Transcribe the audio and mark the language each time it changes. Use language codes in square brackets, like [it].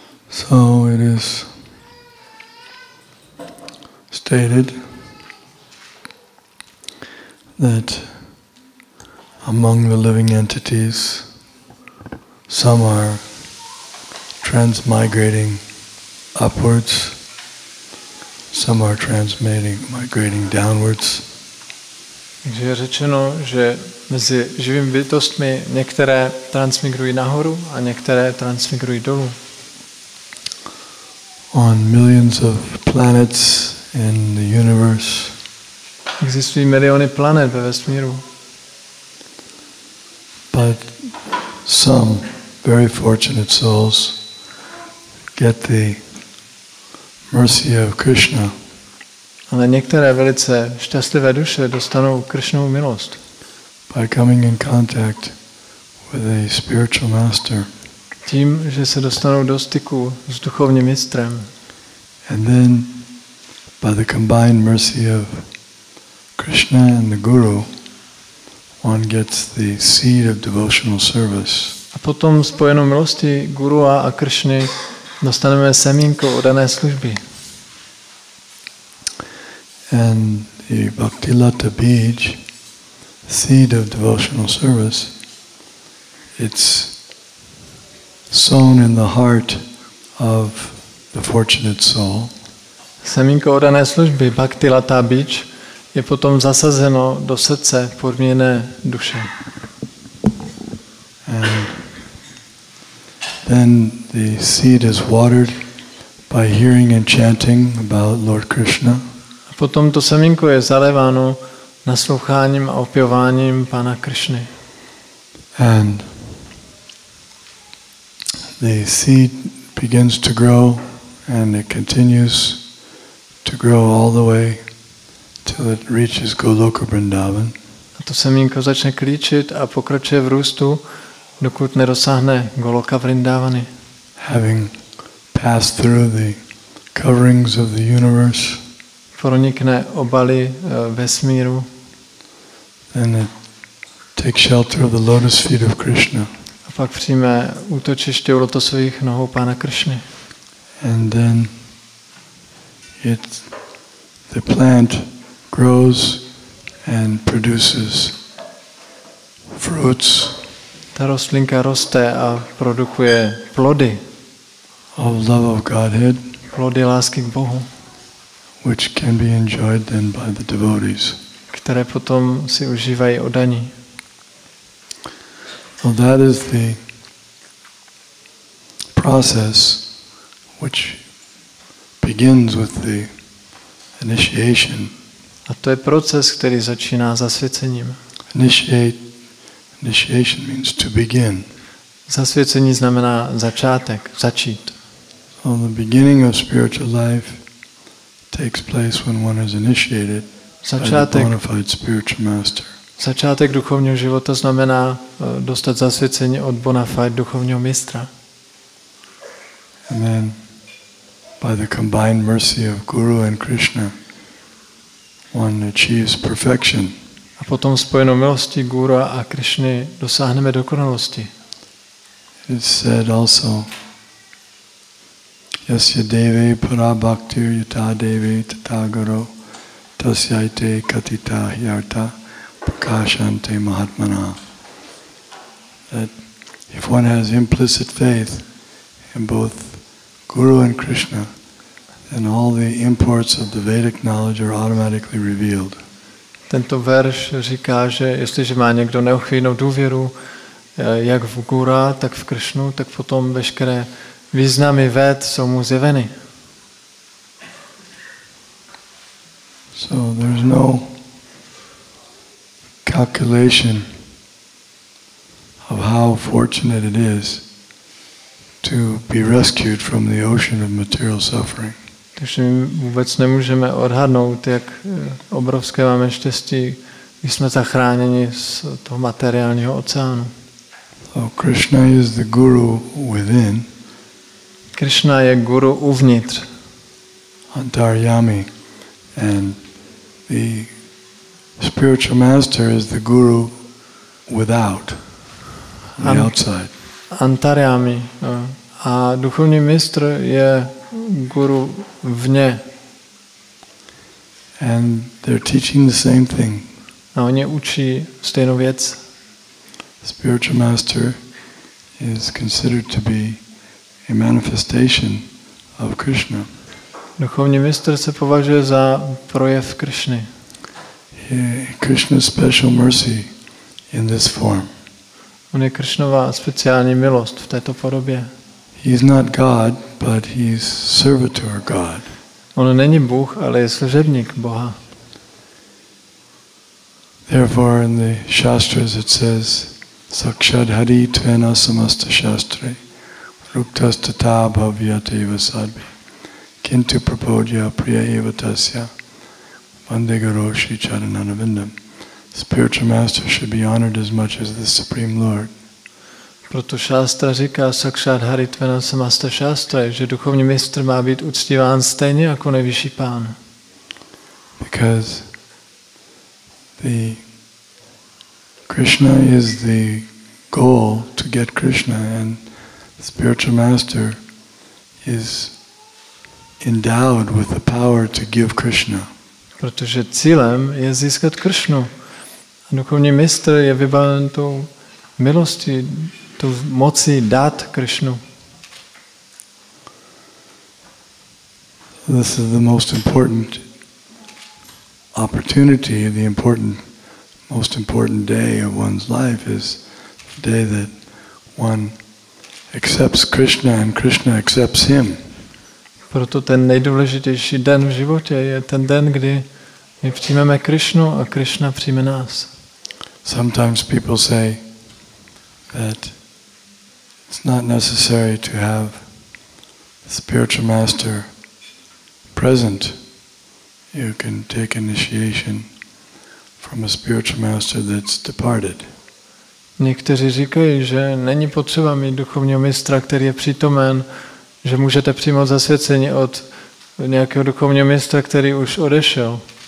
[en] So it is stated that among the living entities, some are transmigrating upwards, some are migrating downwards. [cs] Takže je řečeno, že mezi živými bytostmi některé transmigrují nahoru a některé transmigrují dolů. [en] On millions of planets in the universe. [cs] Existují miliony planet ve vesmíru. [en] But some very fortunate souls get the mercy of Krishna. [cs] Ale některé velice šťastlivé duše dostanou Krishnovu milost. [en] By coming in contact with a spiritual master. [cs] Tím, že se dostanou do styku s duchovním mistrem. [en] And then by the combined mercy of Krishna and the Guru, one gets the seed of devotional service. [cs] A potom spojenou milostí Guru a Krishny dostaneme semínko oddané služby. [en] And the Bhakti Lata Bij, seed of devotional service, it's sown in the heart of the fortunate soul. [cs] Semínko oddané služby, Bhakti Lata Bij, je potom zasazeno do srdce podmíněné duše. [en] And then the seed is watered by hearing and chanting about Lord Krishna. [cs] Potom to semínko je zaléváno nasloucháním a opěváním Pána Krišny. [en] And the seed begins to grow and it continues to grow all the way till it reaches Goloka Vrindavan. [cs] A to semínko začne klíčit a pokračuje v růstu, dokud nedosáhne Goloka Vrindavany. [en] Having passed through the coverings of the universe, [cs] pronikne obaly vesmíru. [en] And it takes shelter of the lotus feet of Krishna. [cs] A pak přijme útočiště u lotosových nohou Pána Krishny. [en] And then it the plant grows and produces fruits. [cs] Ta rostlinka roste a produkuje plody. [en] Of love of Godhead. [cs] Plody lásky k Bohu. [en] Which can be enjoyed then by the devotees. [cs] Které potom si užívají oddaní. [en] Well, that is the process which begins with the initiation. [cs] A to je proces, který začíná zasvěcením. [en] Initiation means to begin. [cs] Zasvěcení znamená začátek, začít. [en] On the beginning of spiritual life takes place when one is initiated [cs] začátek, [en] by the bona fide spiritual master. [cs] Začátek duchovního života znamená dostat zasvěcení od bona fide duchovního mistra. [en] And then, by the combined mercy of Guru and Krishna, one achieves perfection. [cs] A potom spojenou milostí Guru a Krishny dosáhneme dokonalosti. [en] It is said also, [sa] yasya deve pura bhaktir yata deve tathagaro tasyaite katita hyarta prakashante mahatmana. [en] That if one has implicit faith in both Guru and Krishna, then all the imports of the Vedic knowledge are automatically revealed. [cs] Tento verš říká, že jestliže má někdo neochvějnou důvěru jak v Gura, tak v Krishnu, tak potom veškeré významy ved jsou mu zjeveny. [en] So there's no calculation of how fortunate it is to be rescued from the ocean of material suffering. [cs] Takže my vůbec nemůžeme odhadnout, jak obrovské máme štěstí, když jsme zachráněni z toho materiálního oceánu. [en] So Krishna is the guru within. [cs] Krishna je guru uvnitř. [en] Antaryami. And the spiritual master is the guru without, the outside. [cs] Antaryami, A duchovní mistr je guru vně. [en] And they're teaching the same thing. [cs] A oni učí stejnou věc. [en] Spiritual master is considered to be a manifestation of Krishna. [cs] Duchovní mistr se považuje za projev Krishny. [en] Krishna's special mercy in this form. [cs] On je Krishnova speciální milost v této podobě. [en] He is not God, but he is servitor God. [cs] On není Bůh, ale je služebník Boha. [en] Therefore in the shastras it says [sa] sakshad hari tvena samasta shastre ruktas tata bhavyate vasadbi kintu prapodya priya eva tasya vande guru shri charananavindam. [en] Spiritual master should be honored as much as the Supreme Lord. [cs] Proto šástra říká [sa] sakshad hari tvena samasta shastre, [cs] že duchovní mistr má být uctíván stejně jako nejvyšší pán. [en] Because the Krishna is the goal to get Krishna, and the spiritual master is endowed with the power to give Krishna. [cs] Protože cílem je získat Krishnu. A duchovní mistr je vybaven tou milostí, tou mocí dát Krishnu. [en] This is the most important opportunity, the important most important day of one's life is the day that one accepts Krishna and Krishna accepts him. [cs] Proto ten nejdůležitější den v životě je ten den, kdy my přijmeme Krishnu a Krishna přijme nás. [en] Sometimes people say that it's not necessary to have the spiritual master present. You can take initiation from a spiritual master that's departed. [cs] Někteří říkají, že není potřeba mít duchovního mistra, který je přítomen, že můžete přijmout zasvěcení od nějakého duchovního mistra, který už odešel.